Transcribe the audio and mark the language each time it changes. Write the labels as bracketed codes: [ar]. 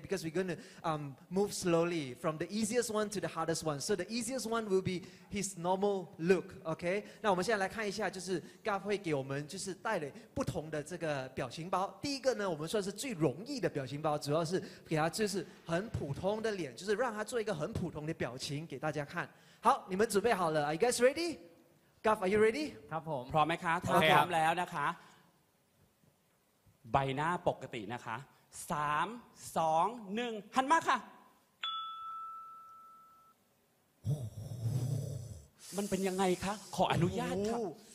[en] Because we're going to move slowly from the easiest one to the hardest one. So the easiest one will be his normal look, okay? [zh] 那我们现在来看一下，就是 Gav 会给我们就是带了不同的这个表情包。第一个呢，我们算是最容易的表情包，主要是给他就是很普通的脸，就是让他做一个很普通的表情给大家看。好，你们准备好了 [en] ？Are you guys ready? Gav, are you ready? [th] ครับผม พร้อมไหมคะถ้าพร้อมแล้วนะคะใบหน้าปกตินะคะ3 2 1หันมาค่ะมันเป็นยังไงคะขออนุญาตครับ